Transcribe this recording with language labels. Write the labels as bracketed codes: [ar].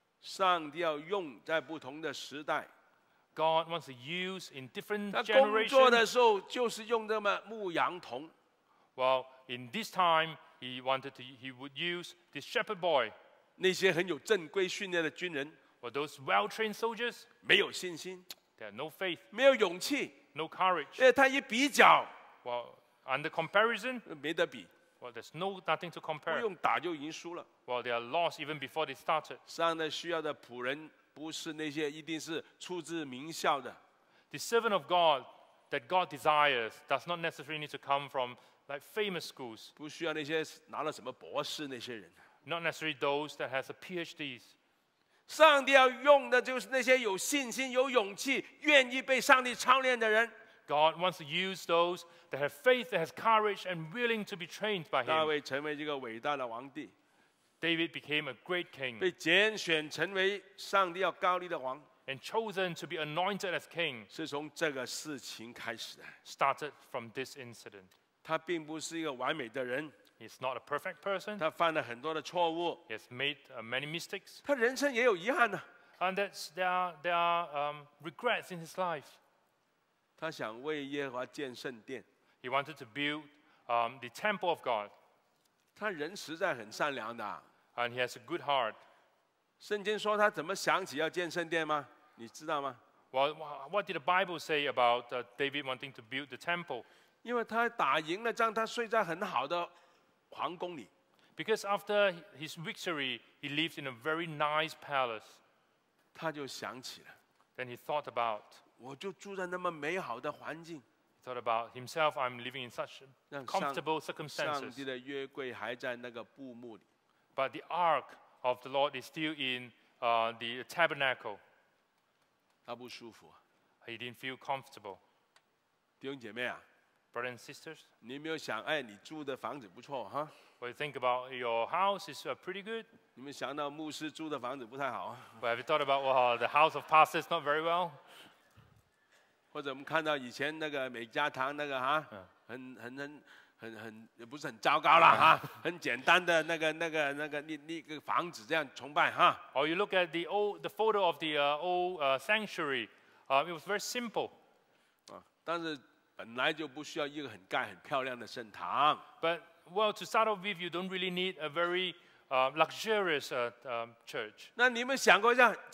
[zh] 上帝要用在不同的时代。 [en] God wants to use in different generations. [zh] 他工作的时候就是用这么牧羊童。 [en] Well, in this time, he would use this shepherd boy. [zh] 那些很有正规训练的军人。 [en] For those well-trained soldiers, [zh] 没有信心 [en] they have no faith, [zh] 没有勇气 [en] no courage. [zh] 因为他一比较 [en] well, under comparison, [zh] 没得比 [en] well, there's nothing to compare. [zh] 不用打就已经输了 [en] well, they are lost even before they started. [zh] 上帝需要的仆人不是那些一定是出自名校的 [en] The servant of God that God desires does not necessarily need to come from like famous schools. [zh] 不需要那些拿了什么博士那些人 [en] not necessarily those that has a PhDs. [zh] 上帝要用的就是那些有信心、有勇气、愿意被上帝操练的人。 [en] God wants to use those that have faith, that has courage, and willing to be trained by Him. [zh] 大卫成为一个伟大的王帝。 [en] David became a great king. [zh] 被拣选成为上帝要高立的王。 [en] And chosen to be anointed as king. [zh] 是从这个事情开始的。 [en] Started from this incident. [zh] 他并不是一个完美的人。 [en] He's not a perfect person. [zh] 他犯了很多的错误。 [en] He's made many mistakes. [zh] 他人生也有遗憾呢。 [en] And there are regrets in his life. [zh] 他想为耶和华建圣殿。 [en] He wanted to build the temple of God. [zh] 他人实在很善良的。 [en] And he has a good heart. [zh] 圣经说他怎么想起要建圣殿吗？你知道吗 [en] ？Well, what did the Bible say about David wanting to build the temple? [zh] 因为他打赢了仗，他睡在很好的。皇宫里 [en] because after his victory, he lived in a very nice palace. [zh] 他就想起了 [en] then he thought about. [zh] 我就住在那么美好的环境 [en] he thought about himself. I'm living in such comfortable circumstances. [zh] 上帝的约柜还在那个布幕里 [en] but the ark of the Lord is still in the tabernacle. [zh] 他不舒服。 [en] He didn't feel comfortable. [zh] 弟兄姐妹啊, [en] brothers and sisters, [zh] 你有没有想, 哎, 你住的房子不错, huh? [en] Well, you think about your house is pretty good. [zh] 你们想到牧师住的房子不太好? [en] But have you thought about, well, the house of pastor is not very well? [zh] 或者我们看到以前那个美加堂那个, huh? 很也不是很糟糕啦, huh? 很简单的那个房子这样崇拜, huh? [en] Or you look at the photo of the old sanctuary. It was very simple. [zh] 但是本来就不需要一个很盖很漂亮的圣堂. [en] But well, to start off with, you don't really need a very luxurious church.